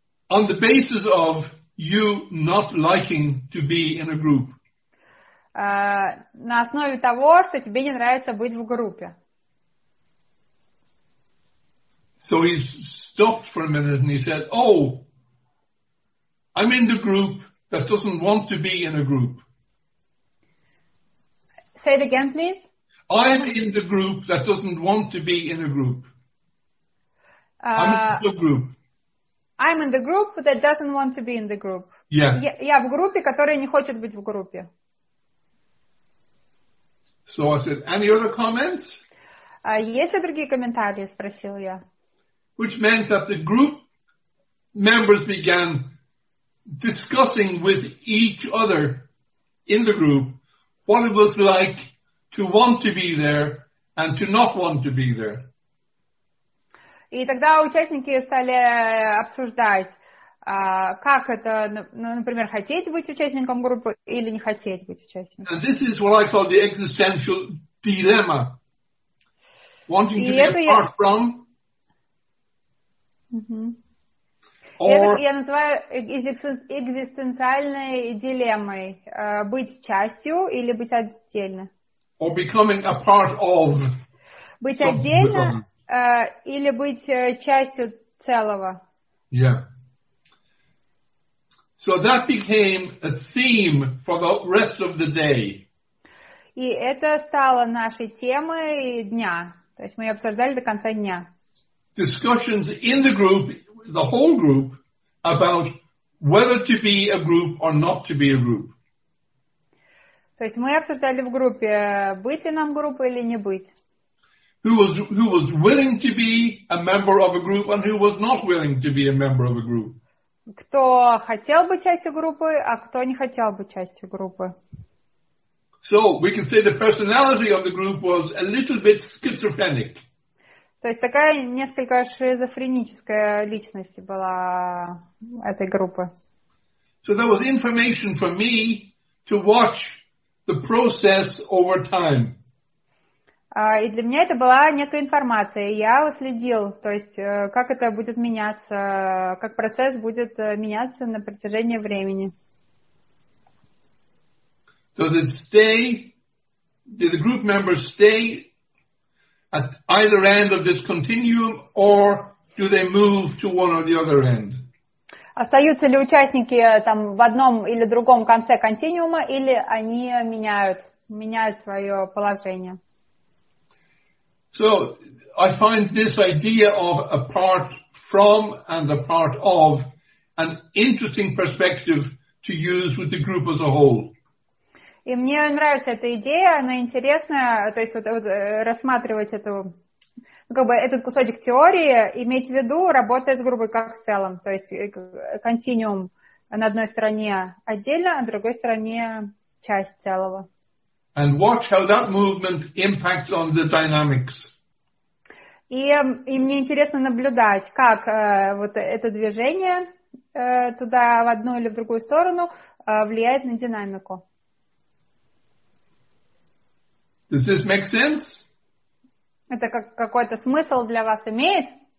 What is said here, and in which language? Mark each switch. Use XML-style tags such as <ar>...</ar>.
<en>On the basis of you not liking to be in a group.</en> <ru>На основе того, что тебе не нравится быть в группе.</ru> <en>So he stopped for a minute and he said, oh, I'm in the group that doesn't want to be in a group. Say it again, please. I'm in the group that doesn't want to be in a group. I'm in the group. I'm in the group that doesn't want to be in the group. Yeah.</en> <ru>Я в группе, которая не хочет быть в группе.</ru> <en>So I said, any other comments?</en> <ru>Есть ли другие комментарии? Спросил я.</ru> <en>Which meant that the group members began discussing with each other in the group what it was like to want to be there and to not want to be there.</en> <ru>И тогда участники стали обсуждать, как это, например, хотеть быть участником группы или не хотеть быть участником.</ru> <en>And this is what I call the existential dilemma. Wanting to be apart from.</en> <ru>Это я называю экзистенциальной дилеммой. Быть частью или быть отдельно.</ru> <en>Or becoming a part of.</en> <ru>Быть отдельно или быть частью целого.</ru> <en>Yeah. So that became a theme for the rest of the day.</en> <ru>И это стало нашей темой дня. То есть мы ее обсуждали до конца дня.</ru> <en>Discussions in the group, the whole group, about whether to be a group or not to be a group.</en> <ru>То есть мы обсуждали в группе, быть ли нам группой или не быть.</ru> <en>Who was willing to be a member of a group and who was not willing to be a member of a group.</en> <ru>Кто хотел быть частью группы, а кто не хотел быть частью группы.</ru> <en>So we can say the personality of the group was a little bit schizophrenic.</en> <ru>То есть такая несколько шизофреническая личность была этой группы.</ru> <en>So there was information for me to watch the process over time.</en> <ru>И для меня это была некая информация. Я следил, то есть как это будет меняться, как процесс будет меняться на протяжении времени.</ru> <en>Does it stay? Did the group members stay at either end of this continuum, or do they move to one or the other end?</en> <ru>Остаются ли участники там в одном или другом конце континуума, или они меняют свое положение?</ru> <en>So I find this idea of apart from and apart of an interesting perspective to use with the group as a whole.</en> <ru>И мне нравится эта идея, она интересная, то есть вот рассматривать эту, как бы этот кусочек теории, иметь в виду, работая с группой как в целом, то есть континуум на одной стороне отдельно, а на другой стороне часть целого.</ru> <en>And watch how that movement impacts on the dynamics.</en> <ru>И мне интересно наблюдать, как вот это движение туда, в одну или в другую сторону, влияет на динамику.</ru> <en>Does this make sense?</en> <ru>Это какой-то смысл для вас имеет?</ru>